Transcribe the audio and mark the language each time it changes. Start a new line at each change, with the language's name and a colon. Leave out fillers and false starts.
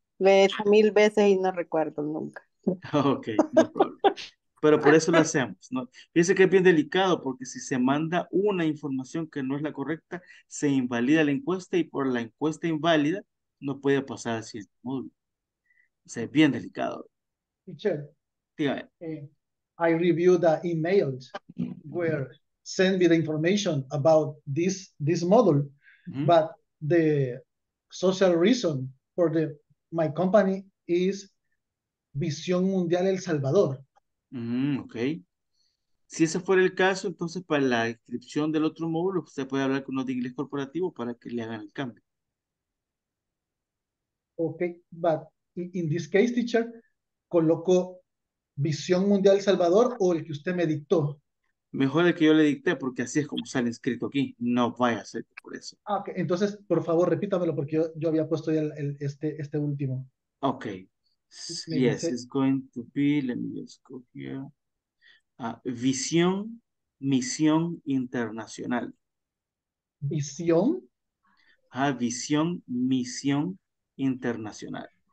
Spanish: Lo he hecho mil veces y no recuerdo nunca.
English: Ok, no problem.
Spanish: Pero por eso lo hacemos, ¿no? Fíjense que es bien delicado porque si se manda una información que no es la correcta, se invalida la encuesta y por la encuesta inválida no puede pasar al siguiente módulo. O sea, es bien delicado.
English: Teacher.
Spanish: Dígame.
English: I reviewed the emails where sent me the information about this module, mm-hmm. but the social reason for the my company is Visión Mundial El Salvador. Ok.
Spanish: Si ese fuera el caso, entonces para la inscripción del otro módulo, usted puede hablar con uno de inglés corporativo para que le hagan el cambio.
English: Ok, but in this case, teacher,
Spanish: coloco Visión Mundial El Salvador o el que usted me dictó. Mejor el que yo le dicté, porque así es como sale inscrito aquí. No vaya a ser por eso. Ok, entonces, por favor, repítamelo, porque yo había puesto ya este último. Ok.
English: Yes, it's going to be, let me just go here.
Spanish: Visión, misión internacional. ¿Visión? Visión, misión internacional.